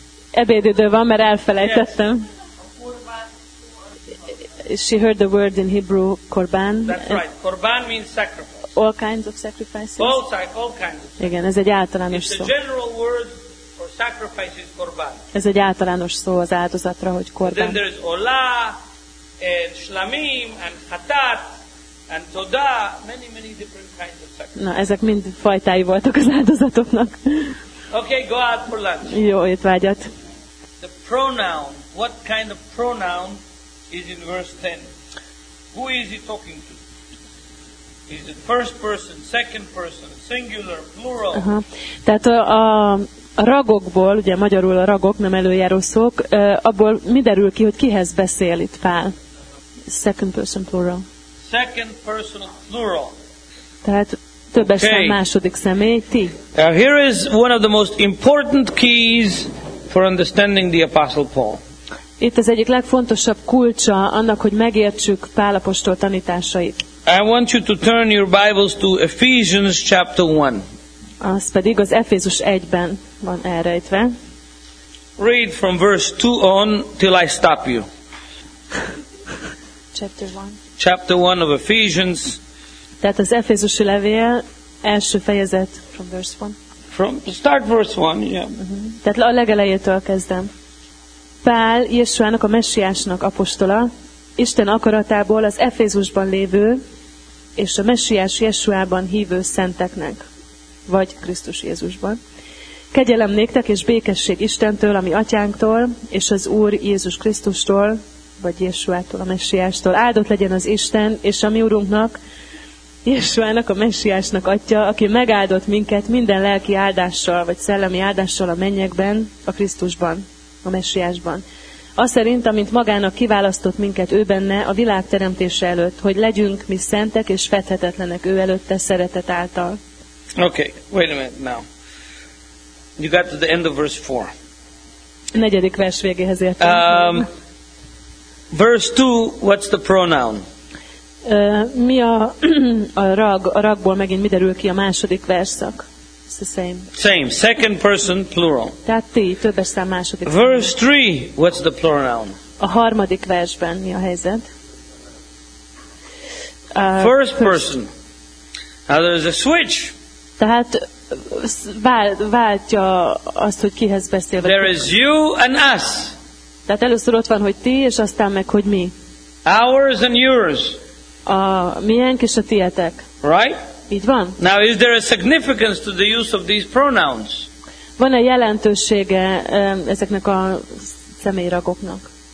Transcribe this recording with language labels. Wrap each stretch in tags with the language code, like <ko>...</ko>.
<hu>Ebédidő van, mert elfelejtettem.</hu> <en>Yes. She heard the word in Hebrew, korban. That's right. Korban means sacrifice. All kinds of sacrifices. All kinds. Of</en> <hu>igen, ez egy általános</hu> <en>it's</en> <hu>szó.</hu> <en>It's a general word. For sacrifices, korban.</en> <hu>Ez egy általános szó az áldozatra, hogy korban.</hu> <en>Then there is ola, and shlamim, and hatat, and toda, many, many different kinds of sacrifices.</en> <hu>Na, ezek mind fajtái voltak az áldozatoknak.</hu> <en>Okay, go out for lunch.</en> <hu>Jó étvágyat.</hu> <en>The pronoun, what kind of pronoun is in verse 10? Who is he talking to? Is it first person, second person, singular, plural?</en> <hu>Tehát a ragokból, ugye magyarul a ragok, nem előjáró szók, abból mi derül ki, hogy kihez beszél itt Pál?</hu> <en>Second person plural. Second person plural.</en> <hu>Tehát többesen okay. Második személy, ti.</hu> <en>Now here is one of the most important keys for understanding the Apostle Paul.</en> <hu>Itt az egyik legfontosabb kulcsa annak, hogy megértsük Pál apostol tanításait.</hu> <en>I want you to turn your Bibles to Ephesians chapter 1.</en> <hu>Az pedig az Efézus 1-ben van elrejtve.</hu> <en>Read from verse 2 on till I stop you. Chapter 1. Chapter 1 of Ephesians.</en> <hu>Tehát az Efézusi levél első fejezet</hu> <en>from verse 1. From start verse 1, yeah.</en> <hu>Tehát a legelejétől kezdem. Pál Jézusának a messiásnak apostola, Isten akaratából az Efézusban lévő és a messiás Jézusában hívő szenteknek. Vagy Krisztus Jézusban. Kegyelem néktek és békesség Istentől, ami atyánktól, és az Úr Jézus Krisztustól, vagy Jézsuától, a messiástól. Áldott legyen az Isten, és a mi Urunknak, Jézsuának, a messiásnak atya, aki megáldott minket minden lelki áldással, vagy szellemi áldással a mennyekben, a Krisztusban, a messiásban. Aszerint, amint magának kiválasztott minket ő benne a világ teremtése előtt, hogy legyünk mi szentek és fedhetetlenek ő előtte szeretet által.</hu> <en>Okay, wait a minute now. You got to the end of verse 4.</en> <hu>Negyedik vers végéhez értem.</hu> <en>Verse 2, what's the pronoun?</en> <hu>Mi a rag, a ragból megint mi derül ki a második versszak?</hu> <en>It's the same. Same, second person plural.</en> <hu>Tehát ti, többes szám második.</hu> <en>Verse 3, what's the pronoun?</en> <hu>A harmadik versben mi a helyzet?</hu> <en>First person. Now there's a switch.</en> <hu>Tehát váltja azt, hogy kihez beszél.</hu> <en>There is you and us.</en> <hu>Tehát először ott van, hogy ti, és aztán meg, hogy mi.</hu> <en>Ours and yours.</en> <hu>A miénk és a tietek.</hu> <en>Right?</en> <hu>Így van.</hu> <en>Now is there a significance to the use of these pronouns?</en> <hu>Van-e jelentősége ezeknek a személyragoknak?</hu>